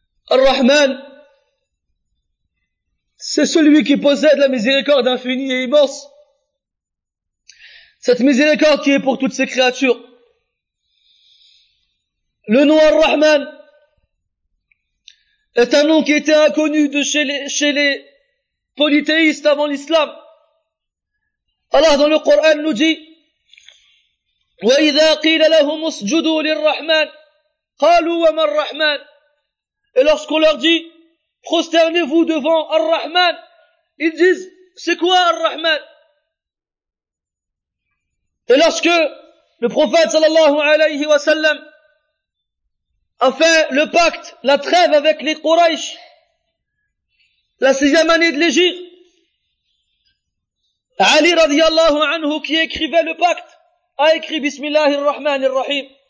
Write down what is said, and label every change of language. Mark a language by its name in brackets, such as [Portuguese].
[French] Ar-Rahman, c'est celui qui possède la miséricorde infinie et immense. Cette miséricorde qui est pour toutes ses créatures. Le nom Ar-Rahman est un nom qui était inconnu de chez les polythéistes avant l'islam. Allah dans le Coran nous dit, [Arabic] وَإِذَا قِيلَ لَهُمْ اسْجُدُوا لِلرَّحْمَنِ قَالُوا وَمَا الرَّحْمَنِ. [French] Et lorsqu'on leur dit, prosternez-vous devant Ar-Rahman, ils disent, c'est quoi Ar-Rahman? Et lorsque le prophète sallallahu alayhi wa sallam a fait le pacte, la trêve avec les Quraysh, la sixième année de l'Égypte, Ali radiallahu anhu qui écrivait le pacte, a écrit Bismillahir Rahmanir Rahim.